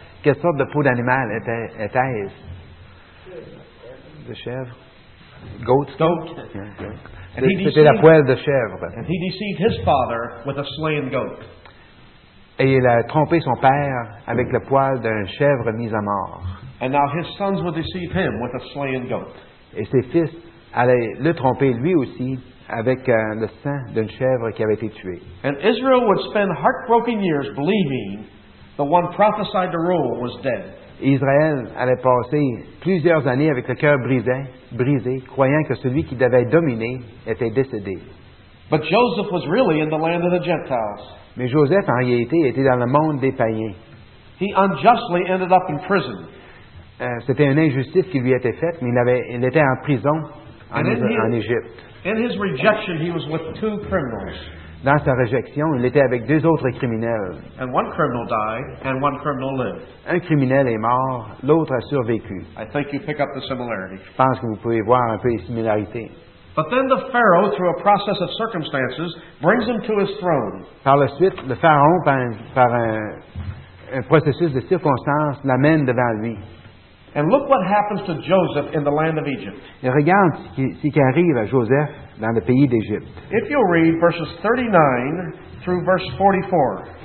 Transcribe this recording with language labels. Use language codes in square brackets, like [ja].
[fr] Quelle sorte de peau d'animal était-ce? De chèvre? Goat? [en] Goat. [fr] C'était la poêle de chèvre. [en] And he deceived his father with a slain goat. [fr] Et il a trompé son père avec la poêle d'un chèvre mis à mort. [en] And now his sons would deceive him with a slain goat. [fr] Et ses fils allaient le tromper lui aussi avec le sang d'une chèvre qui avait été tuée. [en] And Israel would spend heartbroken years believing the one prophesied to rule was dead. [fr] Israël allait passer plusieurs années avec le cœur brisé, croyant que celui qui devait dominer était décédé. [en] But Joseph was really in the land of the Gentiles. [fr] Mais Joseph, en réalité, était dans le monde des païens. [en] He unjustly ended up in prison. [fr] C'était une injustice qui lui était faite, mais il était en prison en Égypte. [en] In his rejection, he was with two criminals. [fr] Dans sa réjection, il était avec deux autres criminels. [en] And one criminal died, and one criminal lived. [fr] Un criminel est mort, l'autre a survécu. [en] I think you pick up the similarity. [fr] Je pense que vous pouvez voir un peu les similarités. [en] But then the Pharaoh, through a process of circumstances, brings him to his throne. [fr] Par la suite, le Pharaon, par un processus de circonstances, l'amène devant lui. [en] And look what happens to Joseph in the land of Egypt. [fr] Et regarde ce qui arrive à Joseph dans le pays d'Égypte. [en] If you'll read verses 39 through verse 44.